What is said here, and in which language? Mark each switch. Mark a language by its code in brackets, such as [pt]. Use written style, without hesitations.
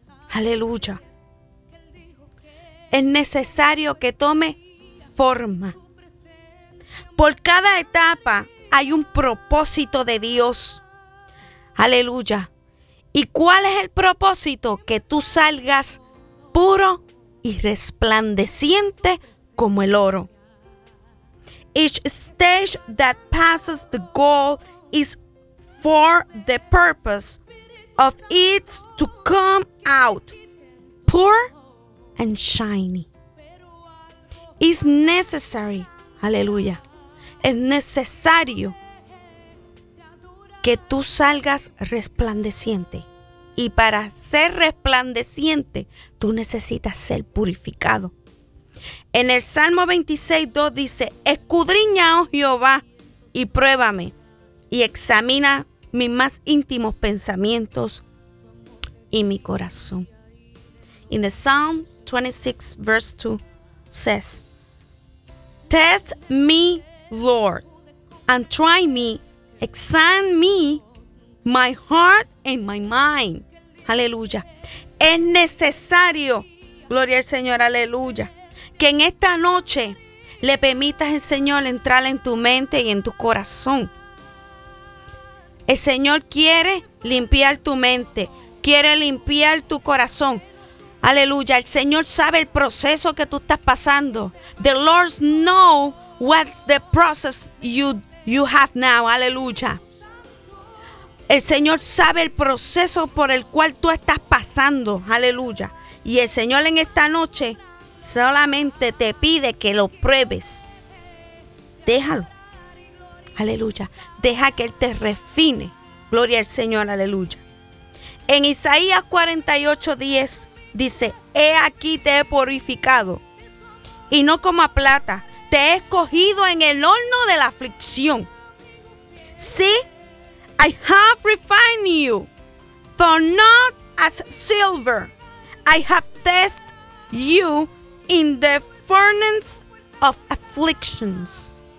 [es] Aleluya. Es necesario que tome forma. Por cada etapa hay un propósito de Dios. Aleluya. ¿Y cuál es el propósito? Que tú salgas puro y resplandeciente como el oro. [en] Each stage that passes the gold is for the purpose of it to come out pure and shiny. It's necessary. [es] Aleluya. Es necesario que tú salgas resplandeciente. Y para ser resplandeciente, tú necesitas ser purificado. En el Salmo 26:2 dice: escudriña, oh Jehová, y pruébame, y examina mis más íntimos pensamientos y mi corazón. [en] In the Psalm 26:2 says: test me, Lord, and try me. Examine me, my heart and my mind. Aleluya. [es] Es necesario, gloria al Señor, aleluya, que en esta noche le permitas al Señor entrar en tu mente y en tu corazón. El Señor quiere limpiar tu mente. quiere limpiar tu corazón. Aleluya. El Señor sabe el proceso que tú estás pasando. [en] The Lord knows what's the process you have now. [es] Aleluya. El Señor sabe el proceso por el cual tú estás pasando. Aleluya. Y el Señor en esta noche solamente te pide que lo pruebes. Déjalo. Aleluya. Deja que Él te refine. Gloria al Señor. Aleluya. En Isaías 48:10 dice: He aquí te he purificado, y no como a plata. Te he escogido en el horno de la aflicción. [en] Sí, I have refined you, though not as silver. I have tested you in the furnace of afflictions.